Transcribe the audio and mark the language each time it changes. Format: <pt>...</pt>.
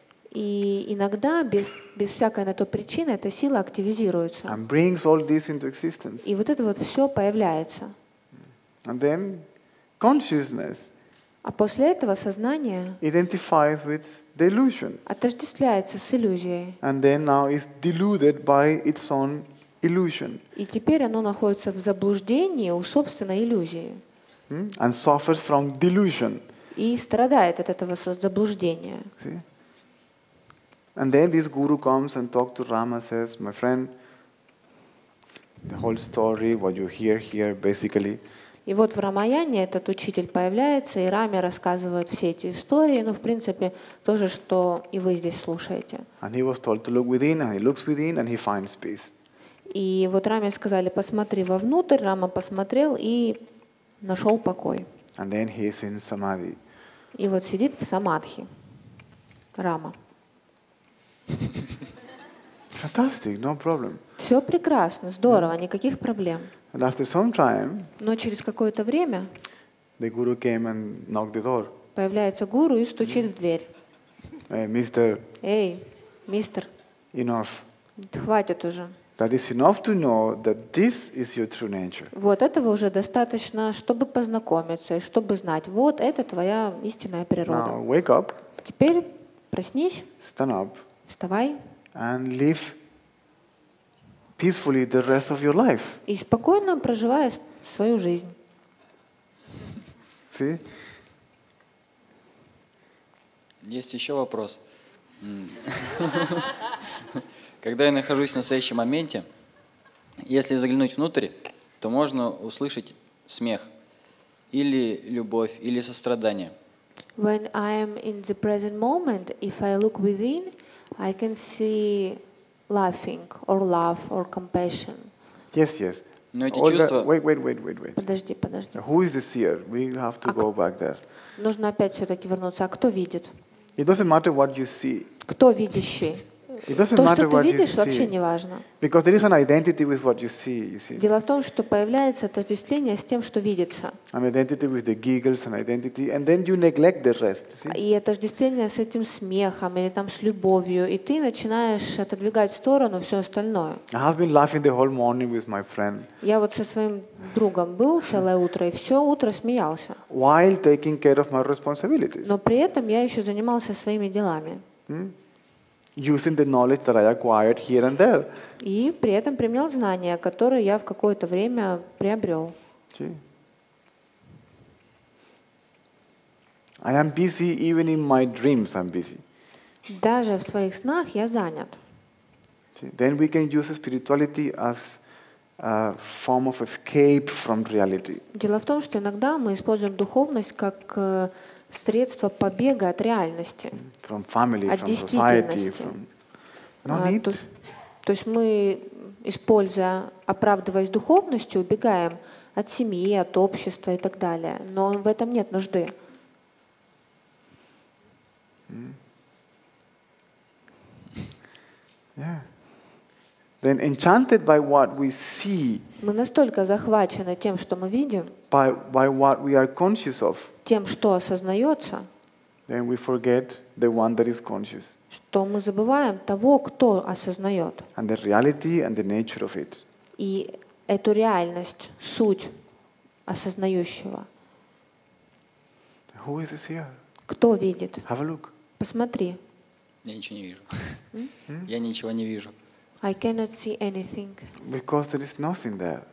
<ru>И иногда без всякой на то причины эта сила активизируется.</ru> <en>And brings all this into existence.</en> <ru>И вот это вот все появляется.</ru> <en>And then consciousness.</en> <ru>А после этого сознание</ru> <en>identifies with the illusion.</en> <ru>Отождествляется с иллюзией.</ru> <en>And then now is deluded by its own illusion.</en> <ru>И теперь оно находится в заблуждении у собственной иллюзии.</ru> <en>And suffers from delusion.</en> <ru>И страдает от этого заблуждения.</ru> <en>See? And then this guru comes and talks to Rama, says, my friend, the whole story, what you hear here, basically.</en> <ru>И вот в Рамаяне этот учитель появляется, и Раме рассказывает все эти истории, ну, в принципе, то же, что и вы здесь слушаете.</ru> <en>And he was told to look within, and he looks within, and he finds peace.</en> <ru>И вот Раме сказали, посмотри вовнутрь, Рама посмотрел и нашел покой.</ru> <en>And then he is in samadhi.</en> <ru>И вот сидит в самадхи Рама.</ru> <en>Fantastic, no problem.</en> <ru>Все прекрасно, здорово, никаких проблем.</ru> <en>And after some time,</en> <ru>но через какое-то время</ru> <en>the guru came and knocked the door.</en> <ru>появляется гуру и стучит в дверь.</ru> <en>Hey, mister.</en> <ru>Эй, мистер.</ru> <en>Enough.</en> <ru>Хватит уже.</ru> <en>That is enough to know that this is your true nature.</en> <ru>Вот этого уже достаточно, чтобы познакомиться и чтобы знать, вот это твоя истинная природа.</ru> <en>Now wake up.</en> <ru>Теперь проснись.</ru> <en>Stand up.</en> <ru>Вставай.</ru> <en>And live peacefully the rest of your life.</en> <ru>И спокойно проживая свою жизнь.</ru> <en>See?</en> <ru>Есть еще вопрос. Когда я нахожусь в настоящем моменте, если заглянуть внутрь, то можно услышать смех или любовь, или сострадание.</ru> <en>When I am in the present moment, if I look within, I can see laughing or love or compassion. Yes, yes.</en> <ru>Но эти чувства...</ru> <en>Wait.</en> <ru>Подожди, подожди.</ru> <en>Who is the seer? We have to go back there.</en> <ru>Нужно опять все-таки вернуться. А кто видит?</ru> <en>It doesn't matter what you see.</en> <ru>Кто видящий?</ru> <en>It doesn't matter what you see.</en> <ru>Вообще не важно.</ru> <en>Because there is an identity with what you see, you see.</en> <ru>Дело в том, что появляется отождествление с тем, что видится.</ru> <en>An identity with the giggles, an identity, and then you neglect the rest. See?</en> <ru>И отождествление с этим смехом или там с любовью, и ты начинаешь отодвигать в сторону все остальное.</ru> <en>I have been laughing the whole morning with my friend.</en> <ru>Я вот со своим другом был целое утро и все утро смеялся.</ru> <en>While taking care of my responsibilities.</en> <ru>Но при этом я еще занимался своими делами.</ru> <en>Using the knowledge that I acquired here and there.</en> <ru>И при этом применял знания, которые я в какое-то время приобрел.</ru> <en>See? I am busy even in my dreams. I'm busy.</en> <ru>Даже в своих снах я занят.</ru> <en>See? Then we can use spirituality as a form of escape from reality.</en> <ru>Дело в том, что иногда мы используем духовность как средства побега от реальности,</ru> <en>from family,</en> <ru>от</ru> <en>from</en> <ru>действительности.</ru> <en>Society, from... No need.</en> <ru>То есть мы, используя, оправдываясь духовностью, убегаем от семьи, от общества и так далее. Но в этом нет нужды.</ru> <en>Then enchanted by what we see.</en> <ru>Мы настолько захвачены тем, что мы видим.</ru> <en>By what we are conscious of.</en> <ru>Тем, что осознается.</ru> <en>Then we forget the one that is conscious.</en> <ru>Что мы забываем того, кто осознает.</ru> <en>And the reality and the nature of it.</en> <ru>И эту реальность, суть осознающего.</ru> <en>Who is this here?</en> <ru>Кто видит?</ru> <en>Have a look.</en> <ru>Посмотри. Я ничего не вижу. Я ничего не вижу.</ru> <en>I cannot see anything. Because there is nothing there.</en>